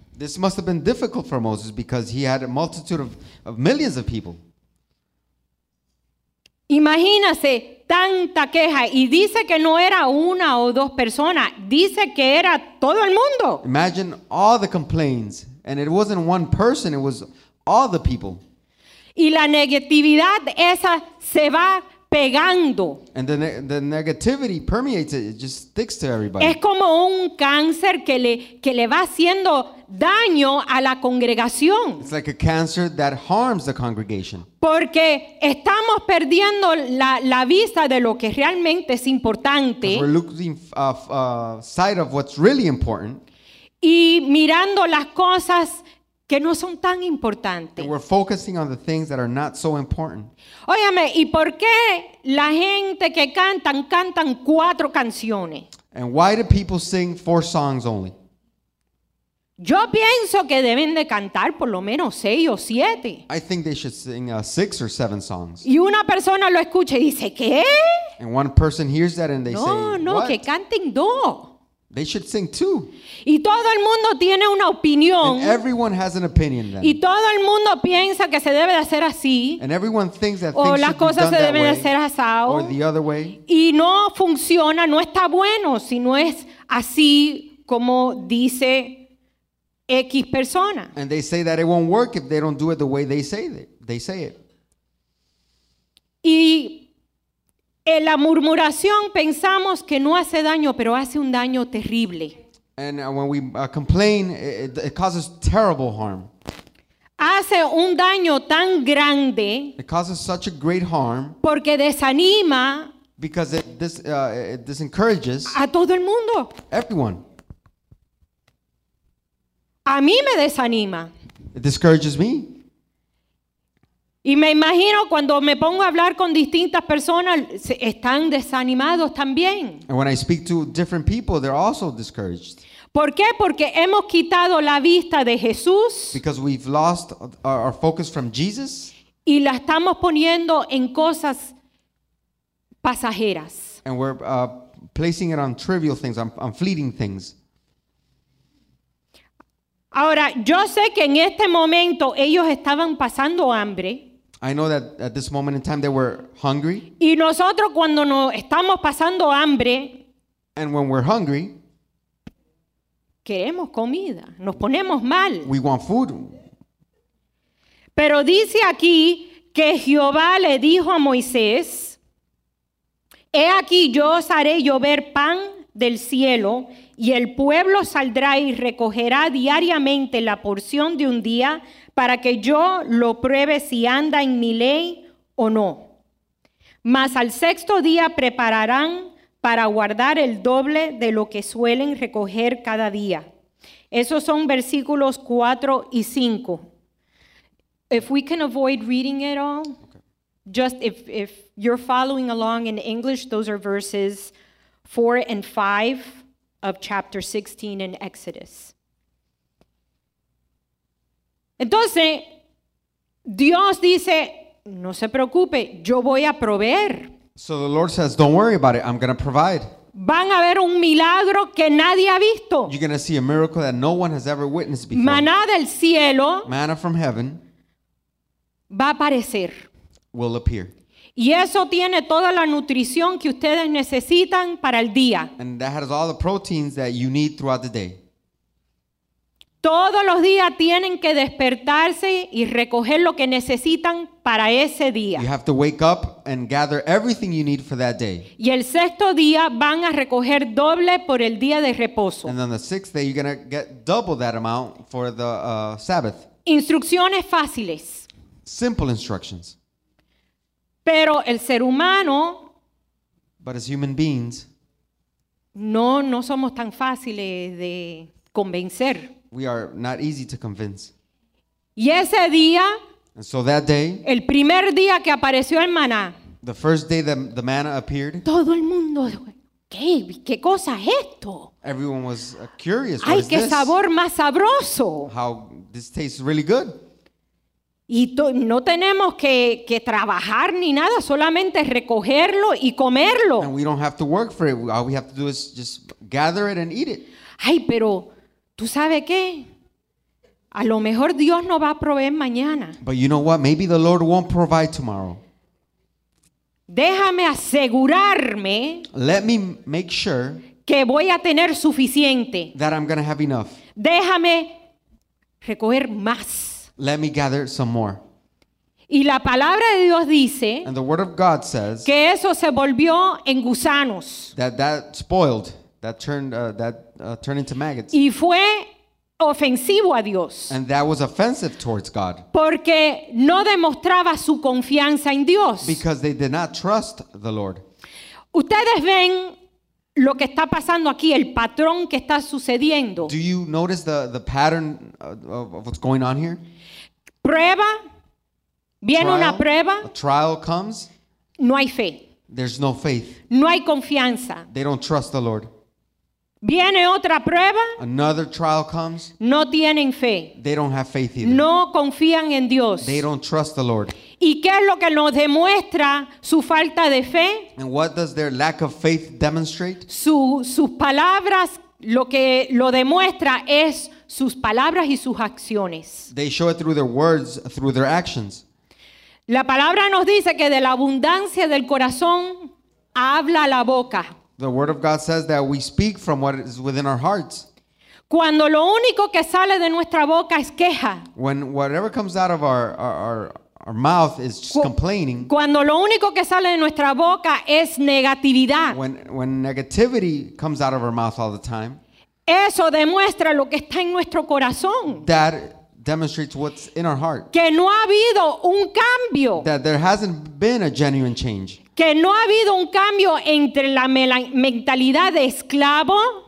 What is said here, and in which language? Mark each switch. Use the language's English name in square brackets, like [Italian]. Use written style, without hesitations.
[English] This must have been difficult for Moses because he had a multitude of millions of people. [Spanish] Imagínese tanta queja y dice que no era una o dos personas, dice que era todo el mundo. [English] Imagine all the complaints and it wasn't one person, it was all the people. [Spanish] Y la negatividad esa se va pegando. [English] And the negativity permeates it. It just sticks to everybody. [Spanish] Es como un cáncer que le va haciendo daño a la congregación. [English] It's like a cancer that harms the congregation. [Spanish] Porque estamos perdiendo la vista de lo que realmente es importante. [English] We're losing sight of what's really important. [Spanish] Y mirando las cosas que no son tan importantes. [English] And we're focusing on the things that are not so important. [Spanish] Óyame, ¿y por qué la gente que cantan 4 canciones? [English] And why do people sing four songs only? [Spanish] Yo pienso que deben de cantar por lo menos seis o siete. [English] I think they should sing six or seven songs. [Spanish] Y una persona lo escucha y dice, ¿qué? [English] And one person hears that and they [Spanish] no, [English] say, [Spanish] no, [English] what? [Spanish] No, no, que canten dos. [English] They should sing two. [Spanish] Y todo el mundo tiene una opinión. [English] And everyone has an opinion then. [Spanish] Y todo el mundo piensa que se debe de hacer así. [English] And everyone thinks that [Spanish] o [English] things [Spanish] las [English] should [Spanish] cosas [English] be done [Spanish] se deben [English] that way, [Spanish] de hacer asado. [English] Or the other way. [Spanish] Y no funciona, no está bueno si no es así como dice X persona. [English] And they say that it won't work if they don't do it the way they say it. [Spanish] Y en la murmuración pensamos que no hace daño, pero hace un daño terrible. [English] And when we complain, it causes terrible harm. [Spanish] Hace un daño tan grande. [English] It causes such a great harm. [Spanish] Porque desanima. [English] Because it encourages. [Spanish] A todo el mundo. [English] Everyone. [Spanish] A mí me desanima. [English] It discourages me. [Spanish] Y me imagino cuando me pongo a hablar con distintas personas, están desanimados también. [English] And when I speak to different people, they're also discouraged. [Spanish] ¿Por qué? Porque hemos quitado la vista de Jesús. [English] Because we've lost our focus from Jesus. [Spanish] Y la estamos poniendo en cosas pasajeras. [English] And we're placing it on trivial things, on fleeting things. [Spanish] Ahora, yo sé que en este momento ellos estaban pasando hambre. [English] I know that at this moment in time they were hungry. [Spanish] Y nosotros cuando nos estamos pasando hambre, [English] and when we're hungry, [Spanish] queremos comida, nos ponemos mal. [English] We want food. [Spanish] Pero dice aquí que Jehová le dijo a Moisés, he aquí yo os haré llover pan del cielo, y el pueblo saldrá y recogerá diariamente la porción de un día para que yo lo pruebe si anda en mi ley o no. Mas al sexto día prepararán para guardar el doble de lo que suelen recoger cada día. Esos son versículos 4 y 5. [English] If we can avoid reading it all, just if you're following along in English, those are verses 4 and 5. Of chapter 16 in Exodus. [Spanish] Entonces, Dios dice, no se preocupe, yo voy a proveer. [English] So the Lord says, don't worry about it, I'm going to provide. [Spanish] Van a ver un milagro que nadie ha visto. [English] You're going to see a miracle that no one has ever witnessed before. [Spanish] Maná del cielo. [English] Manna from heaven. [Spanish] Va a aparecer. [English] Will appear. [Spanish] Y eso tiene toda la nutrición que ustedes necesitan para el día. [English] And that has all the proteins that you need throughout the day. [Spanish] Todos los días tienen que despertarse y recoger lo que necesitan para ese día. [English] You have to wake up and gather everything you need for that day. [Spanish] Y el sexto día van a recoger doble por el día de reposo. [English] And on the sixth day you're going to get double that amount for the Sabbath. [Spanish] Instrucciones fáciles. [English] Simple instructions. [Spanish] Pero el ser humano, [English] but as human beings, [Spanish] no somos tan fáciles de convencer. [English] We are not easy to convince. [Spanish] Y ese día, [English] and so that day, [Spanish] el primer día que apareció el maná, [English] the first day the manna appeared, [Spanish] todo el mundo, ¿qué cosa es esto? [English] Everyone was curious. [Spanish] Ay, qué sabor más sabroso. [English] How this tastes really good. [Spanish] Y no tenemos que trabajar ni nada, solamente recogerlo y comerlo. [English] And we don't have to work for it. All we have to do is just gather it and eat it. [Spanish] Ay, pero ¿tú sabes qué? A lo mejor Dios no va a proveer mañana. [English] But you know what? Maybe the Lord won't provide tomorrow. [Spanish] Déjame asegurarme. [English] Let me make sure [Spanish] que voy a tener suficiente. [English] That I'm going to have enough. [Spanish] Déjame recoger más. [English] Let me gather some more. [Spanish] Y la palabra de Dios dice, [English] and the word of God says, [Spanish] que eso se volvió en gusanos. [English] That spoiled, that turned into maggots. [Spanish] Y fue ofensivo a Dios. [English] And that was offensive towards God. [Spanish] Porque no demostraba su confianza en Dios. [English] Because they did not trust the Lord. [Spanish] Ustedes ven lo que está pasando aquí, el patrón que está sucediendo. [English] Do you notice the pattern of what's going on here? [Spanish] Prueba, viene [English] trial, [Spanish] una prueba. [English] A trial comes. [Spanish] No hay fe. [English] There's no faith. [Spanish] No hay confianza. [English] They don't trust the Lord. [Spanish] Viene otra prueba. [English] Another trial comes. [Spanish] No tienen fe. [English] They don't have faith either. [Spanish] No confían en Dios. [English] They don't trust the Lord. [Spanish] ¿Y qué es lo que nos demuestra su falta de fe? [English] And what does their lack of faith demonstrate? [Spanish] Sus palabras, lo que lo demuestra es sus palabras y sus acciones. [English] They show it through their words, through their actions. [Spanish] La palabra nos dice que de la abundancia del corazón habla la boca. [English] The word of God says that we speak from what is within our hearts. [Spanish] Cuando lo único que sale de nuestra boca es queja. [English] When whatever comes out of our mouth is just complaining. [Spanish] Cuando lo único que sale de nuestra boca es negatividad. [English] When negativity comes out of our mouth all the time. [Spanish] Eso demuestra lo que está en nuestro corazón. [English] That demonstrates what's in our heart. [Spanish] Que no ha habido un cambio. [English] That there hasn't been a genuine change. [Spanish] Que no ha habido un cambio entre la mentalidad de esclavo.